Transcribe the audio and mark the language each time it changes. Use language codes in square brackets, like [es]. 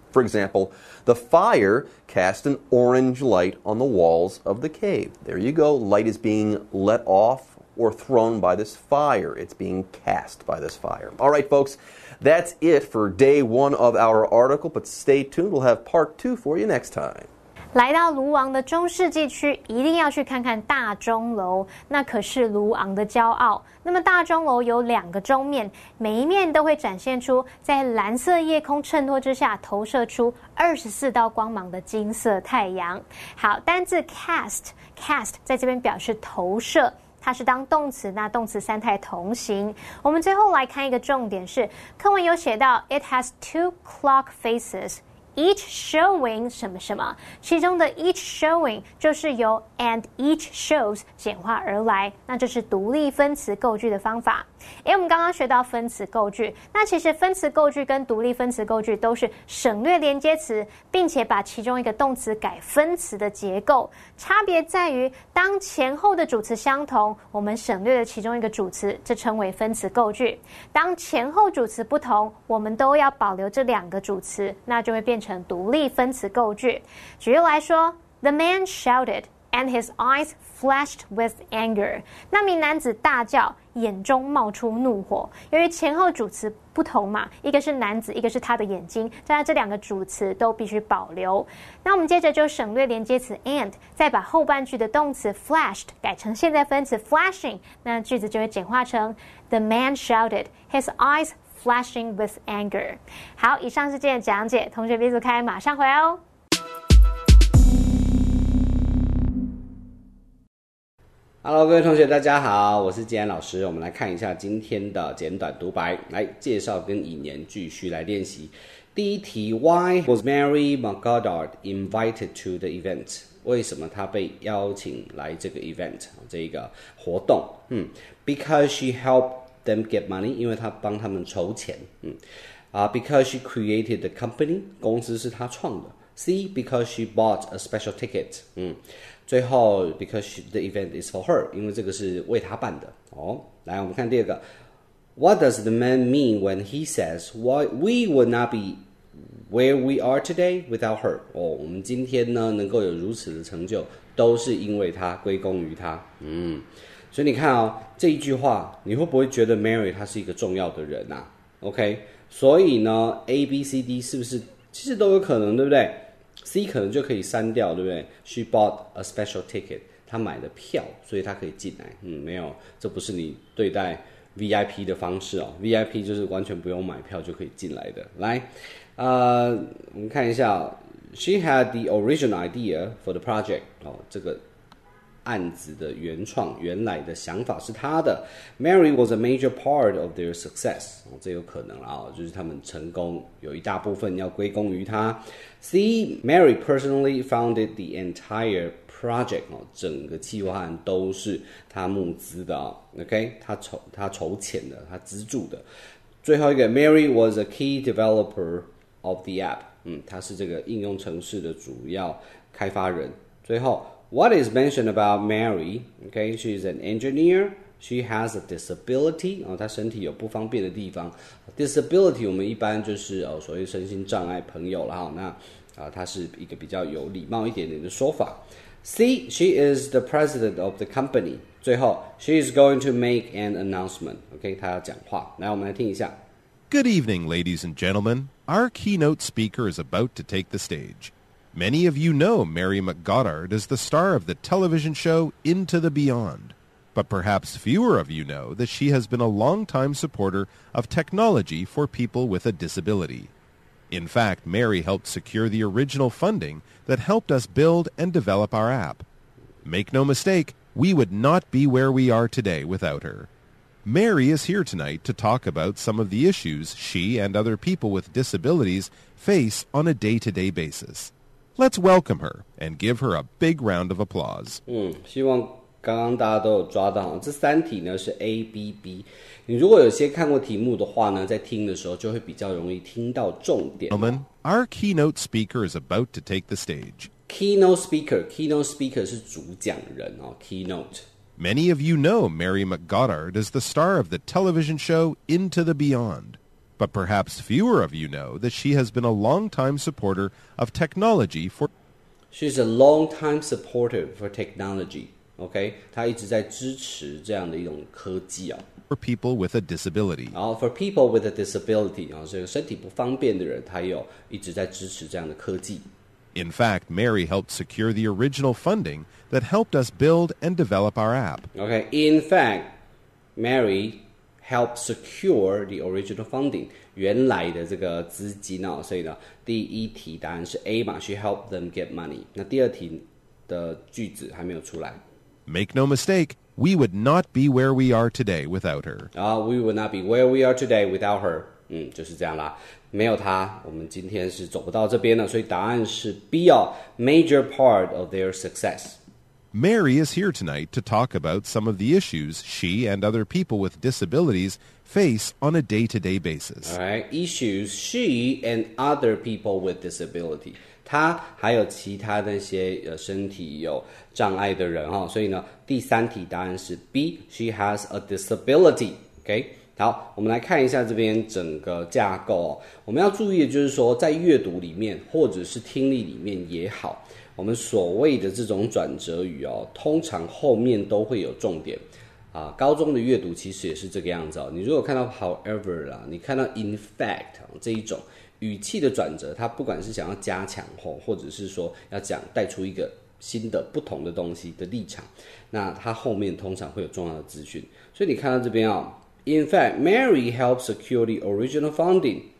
[en] For example, the fire cast an orange light on the walls of the cave. There you go. Light is being let off or thrown by this fire. It's being cast by this fire. All right, folks, that's it for day one of our article, but stay tuned. We'll have part two for you next time. [zh] 来到卢昂的中世纪区，一定要去看看大钟楼，那可是卢昂的骄傲。那么大钟楼有两个钟面，每一面都会展现出在蓝色夜空衬托之下投射出24道光芒的金色太阳。好，单字 cast 在这边表示投射，它是当动词，那动词三态同形。我们最后来看一个重点是，课文有写到 [en] It has two clock facesEach showing [zh] 什么什么，其中的 each showing 就是由 [en] and each shows [zh] 简化而来，那就是独立分词构句的方法。诶，我们刚刚学到分词构句，那其实分词构句跟独立分词构句都是省略连接词，并且把其中一个动词改分词的结构，差别在于当前后的主词相同，我们省略了其中一个主词，这称为分词构句。当前后主词不同，我们都要保留这两个主词，那就会变成独立分词构句。举例来说， [en] The man shouted and his eyes flashed with anger. [zh] 那名男子大叫，眼中冒出怒火。由于前后主词不同嘛，一个是男子，一个是他的眼睛，当然这两个主词都必须保留。那我们接着就省略连接词 and， 再把后半句的动词 flashed 改成现在分词 flashing， 那句子就会简化成 [en] The man shouted, his eyes flashing with anger. [zh] 好，以上是今天的讲解，同学别走开，马上回来哦。 Hello， 各位同学，大家好，我是吉安老师。我们来看一下今天的简短独白，来介绍跟引言继续来练习。第一题 [en] ，Why was Mary McGoddard invited to the event？ [zh] 为什么她被邀请来这个 event 这个活动？ [en] Because she helped them get money， [zh] 因为她帮他们筹钱。 [en] Because she created the company， [zh] 公司是她创的。 [en] C， because she bought a special ticket。 [zh] 最后 [en] ，because the event is for her， [zh] 因为这个是为她办的哦。来，我们看第二个 [en] ，What does the man mean when he says why we would not be where we are today without her？ [zh] 哦，我们今天呢能够有如此的成就，都是因为她，归功于她。所以你看哦，这一句话，你会不会觉得 Mary 她是一个重要的人啊 ？OK， 所以呢 ，A、B、C、D 是不是其实都有可能，对不对？ C 可能就可以删掉，对不对 ？ [en] She bought a special ticket， [zh] 她买了票，所以她可以进来。没有，这不是你对待 VIP 的方式哦。 VIP 就是完全不用买票就可以进来的。来，我们看一下 [en] ，She had the original idea for the project。 [zh] 哦，这个案子的原创原来的想法是她的。 [en] Mary was a major part of their success。 [zh] 哦，这有可能啦，哦，就是他们成功有一大部分要归功于她。 [en] C. Mary personally founded the entire project. [zh] 整个企划案都是他募资的。 OK， 他筹钱的，他资助的。 [en] 最后一个 ，Mary was a key developer of the app. [zh] 他是这个应用程式的主要开发人。最后 [en] ，What is mentioned about Mary? OK， she is an engineer. She has a disability. [zh] 她身体有不方便的地方。 Disability 我们一般就是所谓身心障碍朋友了，那他是一个比较有礼貌一点点的说法。C. [en] She is the president of the company. 最后 She is going to make an announcement. [zh] OK， 他要讲话，来我们来听一下。 [en] Good evening ladies and gentlemen. Our keynote speaker is about to take the stage. Many of you know Mary McGoddard is the star of the television show Into the Beyond. But perhaps fewer of you know that she has been a long-time supporter of technology for people with a disability. In fact, Mary helped secure the original funding that helped us build and develop our app. Make no mistake, we would not be where we are today without her. Mary is here tonight to talk about some of the issues she and other people with disabilities face on a day-to-day basis. Let's welcome her and give her a big round of applause. [zh] 刚刚大家都有抓到这三题呢是 ABB， 你如果有些看过题目的话呢，在听的时候就会比较容易听到重点。 [en] Gentlemen, our keynote speaker is about to take the stage. [zh] Keynote speaker 是主讲人哦。Keynote [en] Many of you know Mary McGoddard is the star of the television show Into the Beyond. But perhaps fewer of you know that she has been a long time supporter of technology for She's a long time supporter for technology [zh] OK， 它一直在支持这样的一种科技啊。 [en] For people with a disability， [zh] 然后 [en] for people with a disability， [zh] 然后这个身体不方便的人，它有一直在支持这样的科技。 [en] In fact, Mary helped secure the original funding that helped us build and develop our app. Okay, in fact, Mary helped secure the original funding. [zh] 原来的这个资金哦，所以呢，第一题答案是 A 嘛 ， [en] She helped them get money. [zh] 那第二题的句子还没有出来。 [en] Make no mistake, we would not be where we are today without her. We would not be where we are today without her. [zh] 嗯，就是这样啦。没有他，我们今天是走不到这边的，所以答案是 B 哦 ， [en] major part of their success. Mary is here tonight to talk about some of the issues she and other people with disabilities face on a day-to-day basis. All right, issues she and other people with disability. [zh] 他还有其他那些身体有障碍的人哈、哦，所以呢，第三题答案是 B. [en] She has a disability. OK. [zh] 好，我们来看一下这边整个架构、哦、我们要注意的就是说在阅读里面或者是听力里面也好，我们所谓的这种转折语、哦、通常后面都会有重点、高中的阅读其实也是这个样子、哦、你如果看到 however 啦，你看到 in fact 这一种语气的转折，它不管是想要加强或者是说要讲带出一个新的不同的东西的立场，那它后面通常会有重要的资讯。所以你看到这边啊、哦， [en] In fact, Mary helped secure the original funding.